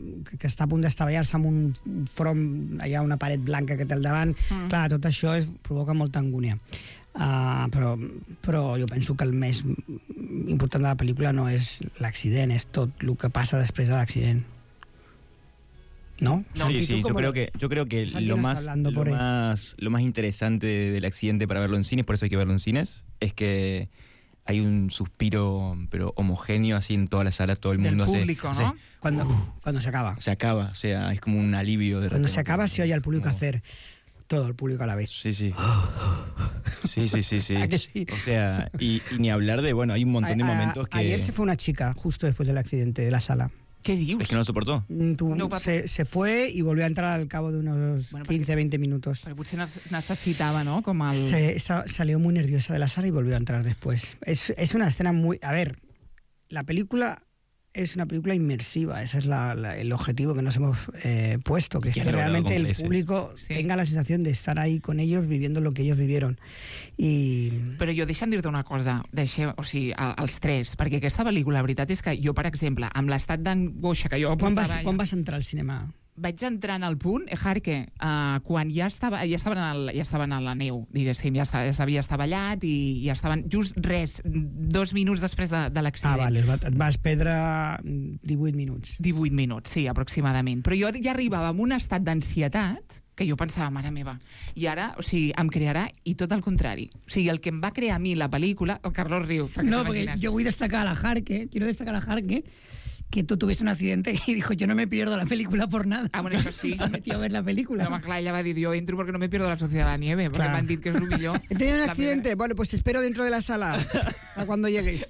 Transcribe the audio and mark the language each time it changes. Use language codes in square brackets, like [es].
[ca] Que està a punt d'estavellar-se amb un front, allà una paret blanca que té al davant. Mm. Clar, tot això provoca molta angúnia. Però jo penso que el més important de la pel·lícula no és l'accident, és tot el que passa després de l'accident. [es] ¿No? Sí, sí, yo creo que lo más interesante del accidente para verlo en cines, por eso hay que verlo en cines, es que hay un suspiro pero homogéneo así en toda la sala, todo el mundo hace... Del público, hace, ¿no? Cuando se acaba. Se acaba, o sea, es como un alivio. De cuando se acaba se oye al público como... hacer... Todo el público a la vez. Sí, sí. Sí, sí, sí, sí. ¿A que sí? O sea, y ni hablar de, bueno, hay un montón de momentos que... Ayer se fue una chica justo después del accidente de la sala. ¿Qué dios? Es que no lo soportó. Se fue y volvió a entrar al cabo de unos 15-20 minutos. Pero potser necesitaba, ¿no? Como al... Salió muy nerviosa de la sala y volvió a entrar después. Es una escena muy... A ver, la película... Es una película inmersiva, ese es el objetivo que nos hemos puesto, que realmente el público tenga la sensación de estar ahí con ellos viviendo lo que ellos vivieron. [ca] I... Però jo, deixa'm dir-te una cosa, els tres, perquè aquesta pel·lícula, la veritat és que jo, per exemple, amb l'estat d'angoixa que jo portava... Quan vas entrar al cinema? Vaig entrar en el punt, Jarque, quan ja estaven a la neu, diguéssim, ja s'havia estavellat i estaven just res, 2 minuts després de l'accident. Ah, vale, et vas perdre 18 minuts. 18 minuts, sí, aproximadament. Però jo ja arribava en un estat d'ansietat que jo pensava, mare meva, i ara, o sigui, em crearà, i tot el contrari. O sigui, el que em va crear a mi la pel·lícula, el Carlos riu, perquè no, perquè jo vull destacar la Jarque, [es] quiero destacar la Jarque, que tú tuviste un accidente y dijo, yo no me pierdo la película por nada. Ah, bueno, eso sí. Se metió a ver la película. No, claro, ella va a decir, yo entro porque no me pierdo La Sociedad de la Nieve, porque claro. Me han dicho que es lo mío. ¿He tenido un accidente? Bueno, pues te espero dentro de la sala a cuando llegues.